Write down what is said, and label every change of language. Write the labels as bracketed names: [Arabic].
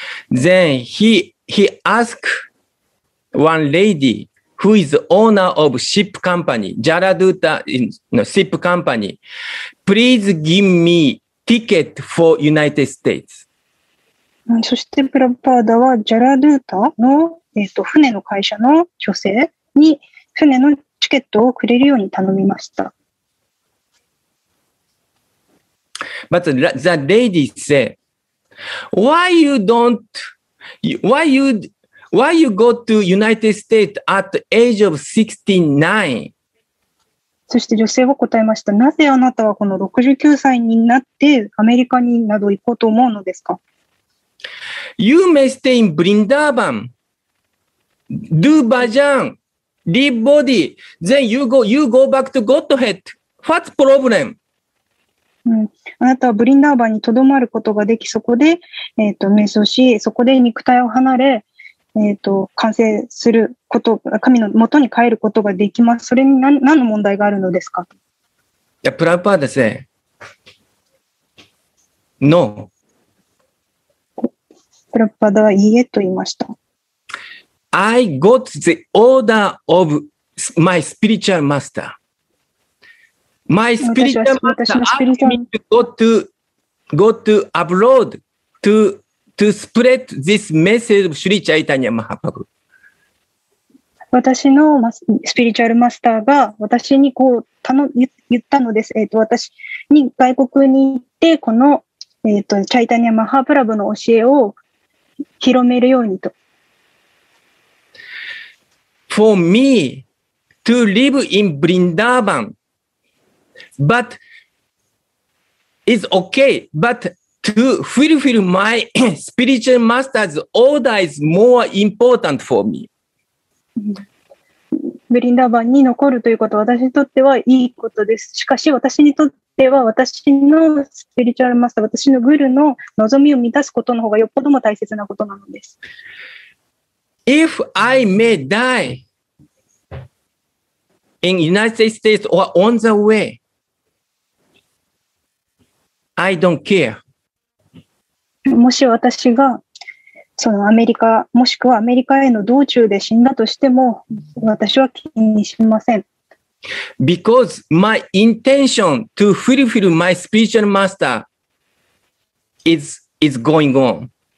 [English] Then he asked one lady who is owner of ship company, Jaraduta ship company, please give me ticket for United States. [Japanese] そしてプラパーダはジャラドゥータの、船の会社の女性に船のチケットをくれるように頼みました。 [English] But the lady said, why you go to United States at the age of 69? [Japanese] そして女性は答えました。なぜあなたはこの69歳になってアメリカになど行こうと思うのですか? [English] You may stay in Vrindavan, do bhajan. Leave body, then you go back to Godhead. What's problem?、 [Japanese] うん、あなたはブリンダーバンにとどまることができ、そこで、瞑想し、そこで肉体を離れ、完成すること、神のもとに帰ることができます。それに 何の問題があるのですか? いや、プラパーダセ、ノー。プラパーダはいいえと言いました。 [English] I got the order of my spiritual master. My spiritual master asked me to go to abroad to spread this message of Sri Chaitanya Mahaprabhu. [Japanese] 私のスピリチュアルマスターが私にこう言ったのです。私に外国に行ってこの、チャイタニア・マハプラブの教えを広めるようにと。 [English] For me to live in Vrindavan, but it's okay, but to fulfill my spiritual master's order is more important for me. [Japanese] Vrindavan に残るということは私にとってはいいことです。しかし私にとっては私のスピリチュアルマスター、私のグルの望みを満たすことの方がよっぽども大切なことなのです。 [English] If I may die,In United States or on the way, I don't care. [Japanese] もし私がそのアメリカもしくはアメリカへの道中で死んだとしても私は気にしません。 [English] Because my intention to fulfill my spiritual master is going on.